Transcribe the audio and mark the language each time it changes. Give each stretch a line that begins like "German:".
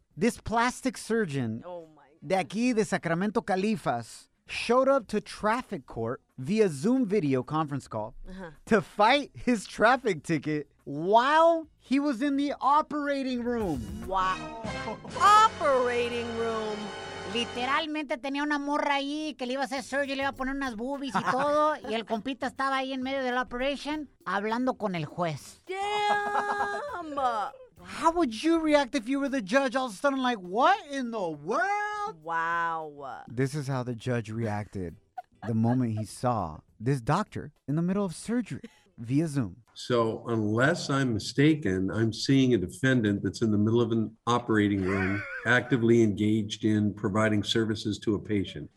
English: This plastic surgeon
Spanish: de aquí de Sacramento, Califas,
English: showed up to traffic court via Zoom video conference call to fight his traffic ticket while he was in the operating room. Wow. Operating room.
Spanish: Literalmente tenía una morra ahí que le iba a hacer surgery, le iba a poner unas boobies y todo. Y el compita estaba ahí en medio de la operation hablando con el juez.
English: Damn. How would you react if you were the judge all of a sudden, like, what in the world? Wow. This is how the judge reacted the moment he saw this doctor in the middle of surgery via Zoom. So unless I'm mistaken, I'm seeing a defendant that's in the middle of an operating room actively engaged in providing services to a patient.